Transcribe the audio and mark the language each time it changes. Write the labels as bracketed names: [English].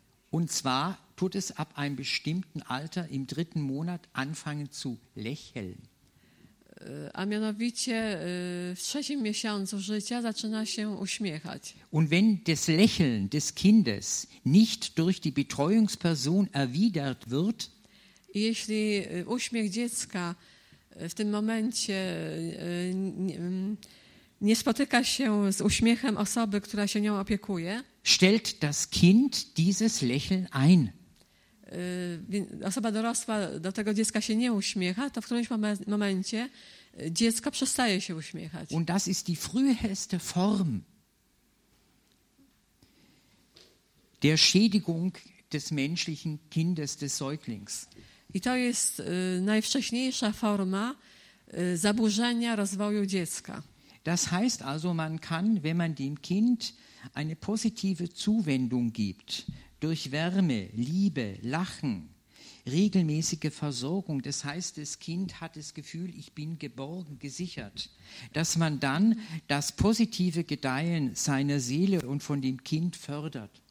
[German] Und zwar tut es ab einem bestimmten Alter im 3. Monat anfangen zu lächeln. [Polish] A mianowicie w 3. miesiącu życia zaczyna się uśmiechać. [German] Und wenn das Lächeln des Kindes nicht durch die Betreuungsperson erwidert wird, [Polish] jeśli uśmiech dziecka w tym momencie nie spotyka się z uśmiechem osoby, która się nią opiekuje, [German] stellt das Kind dieses Lächeln ein. [Polish] Osoba dorosła do tego dziecka się nie uśmiecha, to w którymś momencie dziecko przestaje się uśmiechać. [German] Und das ist die früheste Form der Schädigung des menschlichen Kindes, des Säuglings. [Polish] I to jest najwcześniejsza forma zaburzenia rozwoju dziecka. [German] Das heißt also, man kann, wenn man dem Kind eine positive Zuwendung gibt, durch Wärme, Liebe, Lachen, regelmäßige Versorgung, das heißt, das Kind hat das Gefühl, ich bin geborgen, gesichert, dass man dann das positive Gedeihen seiner Seele und von dem Kind fördert.